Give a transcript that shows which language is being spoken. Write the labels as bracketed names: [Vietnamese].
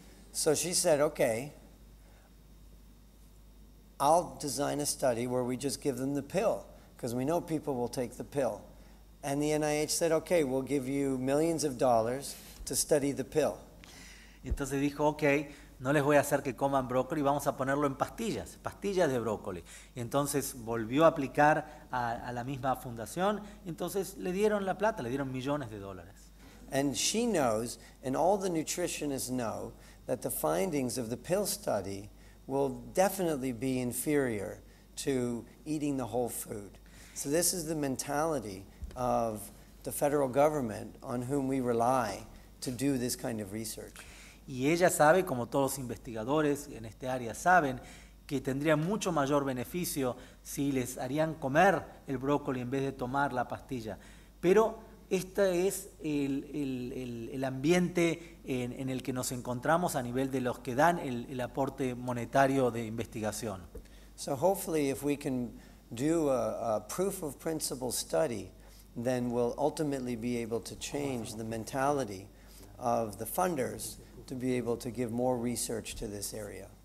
[English] So she said, okay, I'll design a study where we just give them the pill, because we know people will take the pill. And the NIH said, okay, we'll give you millions of dollars to study the pill. [Spanish] Entonces dijo, okay, no les voy a hacer que coman brócoli, vamos a ponerlo en pastillas de brócoli. Y entonces volvió a aplicar a la misma fundación, entonces le dieron la plata, le dieron millones de dólares. [English] And she knows, and all the nutritionists know, that the findings of the pill study will definitely be inferior to eating the whole food. So this is the mentality of the federal government on whom we rely to do this kind of research. [Spanish] Y ella sabe, como todos los investigadores en este área saben, que tendría mucho mayor beneficio si les harían comer el brócoli en vez de tomar la pastilla. Pero este es el ambiente en el que nos encontramos a nivel de los que dan el aporte monetario de investigación. [English] So hopefully if we can do a proof of principle study, then we'll ultimately be able to change the mentality of the funders to be able to give more research to this area.